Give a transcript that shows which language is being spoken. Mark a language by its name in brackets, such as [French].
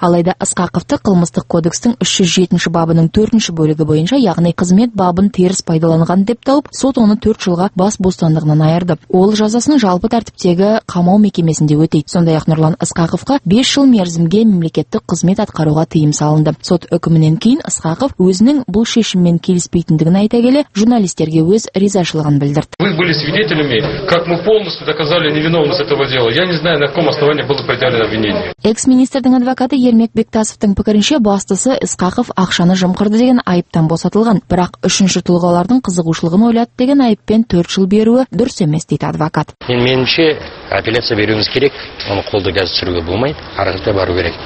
[Kazakh] Алайда Ысқақовты қылмыстық кодекстің 307 бабының 4 бөлігі бойынша, яғни қызмет бабын теріс пайдаланған деп тауып, сот оны 4 жылға бас бостандығынан айырды. Ол жазасын жалпы тәртіптегі қамау мекемесінде өтейді. Сондай-ақ Нұрлан Ысқақовқа 5 жыл мерзімге мемлекеттік қызмет атқаруға тыйым салынды. Сот үкімінен кейін Ысқақов өзінің бұл шешіммен келіспейтіндігін айта келе, журналистерге өз ризашылығын білдірді. [Russian] Мы были свидетелями, как мы полностью доказали невиновность этого дела. Я не знаю, на каком основании было предъявлено обвинение. [Kazakh] Экс-министрдің адвокаты Ермек Бектасовтың пікірінше, бастысы Ысқақов ақшаны жымқырды деген айыптан босатылған, бірақ үшінші тұлғалардың қызығушылығын ойлады деген айыппен 4 жыл беруі дұрыс емес дейді адвокат. Меніңше, апелляция беруіміз керек, оны қолды газ түсіруге болмайды, арғыта бару керек.